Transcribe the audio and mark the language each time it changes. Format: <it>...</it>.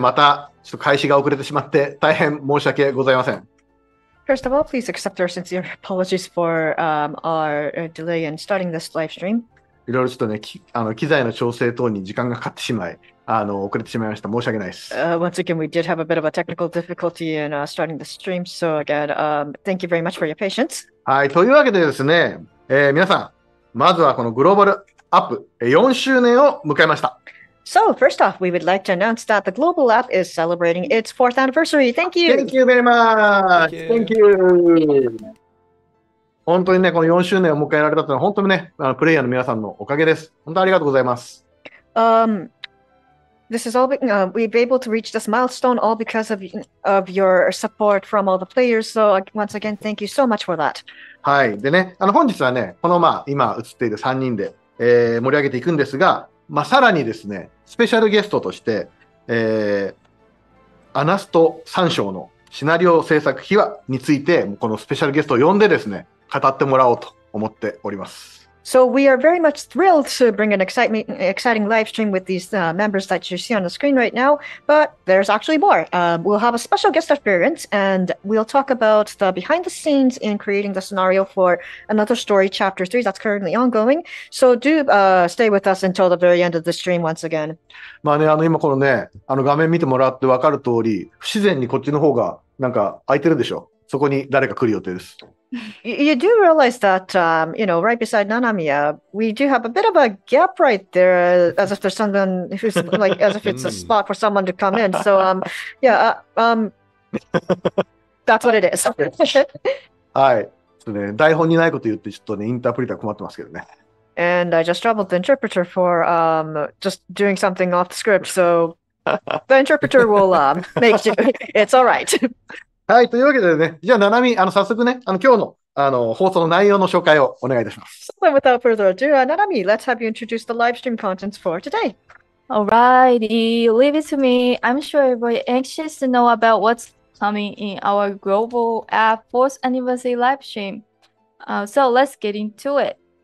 <ja>またちょっと開始が遅れてしまって大変申し訳ございません。</ja> <en>First of all, please accept our sincere apologies for our delay in starting this live stream.</en> <ja>いろいろちょっとね、あの機材の調整等に時間がかかってしまい。あの、遅れてしまいました。申し訳ないです。</ja> <en>Once again, we did have a bit of a technical difficulty in starting the stream. So again, thank you very much for your patience.</en> <ja>はい、というわけでですね、皆さん、まずはこのグローバルアップ4周年を迎えました。</ja> <en>So first off, we would like to announce that the global app is celebrating its 4th anniversary. Thank you. Thank you very much. Thank you. Thank you.</en> <ja>本当にね、この4周年を迎えられたというのは本当にね、あのプレイヤーの皆さんのおかげです。本当にありがとうございます。</ja> <en>This is all we've been able to reach this milestone all because of your support from all the players. So once again, thank you so much for that.</en> <ja>はい。でね、あの本日はね、このまあ今映っている3人で、盛り上げていくんですが、まあさらにですね、スペシャルゲストとして、アナスト三章のシナリオ制作秘話についてこのスペシャルゲストを呼んでですね、語ってもらおうと思っております。</ja> <en>So we are very much thrilled to bring an exciting live stream with these members that you see on the screen right now. But there's actually more. We'll have a special guest appearance, and we'll talk about the behind the scenes in creating the scenario for another story, Chapter 3, that's currently ongoing. So do stay with us until the very end of the stream once again.</en> <ja>まあね、あの今このね、あの画面見てもらって分かる通り、不自然にこっちの方がなんか空いてるでしょ。そこに誰か来る予定です。</ja> <en>You do realize that, you know, right beside Nanami, we do have a bit of a gap right there, as if there's someone who's like, as if it's a spot for someone to come in. So, that's what it is.</en> <ja>はい、そうね、台本にないこと言ってちょっとね、インタープリター困ってますけどね。</ja> <en>And I just troubled the interpreter for just doing something off the script. So the interpreter will make do. It's all right.</en> <ja>はい、というわけでね、じゃあナナミ、あの早速ね、あの今日のあの放送の内容の紹介をお願いいたします。</ja> <en>So without further ado, Nanami, let's have you introduce the live stream contents for today. Alrighty, leave it to me. I'm sure everybody anxious to know about what's coming in our global app 4th anniversary live stream. So let's get into it.</en>